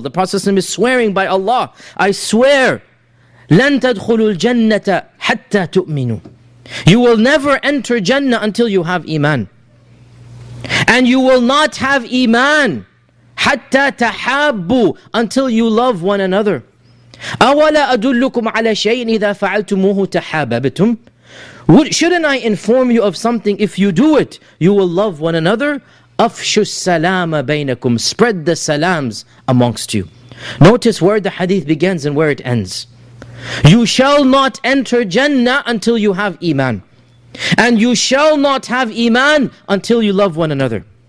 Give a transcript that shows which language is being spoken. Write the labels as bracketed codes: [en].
[en] The Prophet ﷺ is swearing by Allah. I swear, [ar] لَن تَدْخُلُوا الْجَنَّةَ حَتَّى تُؤْمِنُوا [en] You will never enter Jannah until you have Iman. And you will not have Iman [ar] حَتَّى تَحَابُوا [en] until you love one another. [ar] أَوَلَا أَدُلُّكُمْ عَلَى شَيْءٍ إِذَا فَعَلْتُمُوهُ تَحَابَبْتُمْ [en] Shouldn't I inform you of something? If you do it, you will love one another. [ar] أَفْشُ السَّلَامَ بَيْنَكُمْ [en] Spread the salams amongst you. Notice where the hadith begins and where it ends. You shall not enter Jannah until you have Iman. And you shall not have Iman until you love one another.